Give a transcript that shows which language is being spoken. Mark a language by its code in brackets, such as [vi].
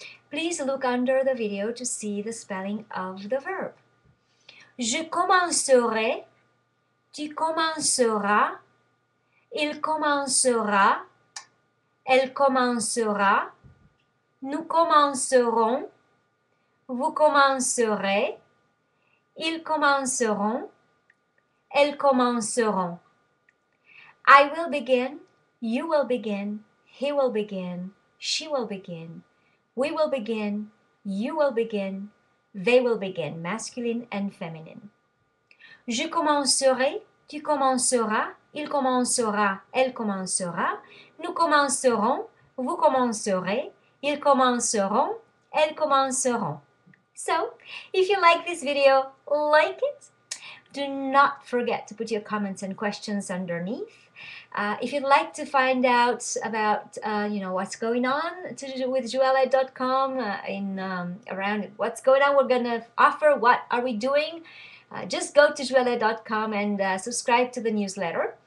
[en] Please look under the video to see the spelling of the verb. [fr] Je commencerai, tu commenceras, il commencera, elle commencera, nous commencerons, vous commencerez, ils commenceront, elles commenceront. [en] I will begin, you will begin, he will begin, she will begin, we will begin, you will begin, they will begin, masculine and feminine. [fr] Je commencerai, tu commenceras. Il commencera, elle commencera, nous commencerons, vous commencerez, ils commenceront, elles commenceront. [en] So, if you like this video, like it. Do not forget to put your comments and questions underneath. If you'd like to find out about, you know, what's going on to do with joëlette.com, around what's going on, we're going to offer, what are we doing, just go to joëlette.com and subscribe to the newsletter.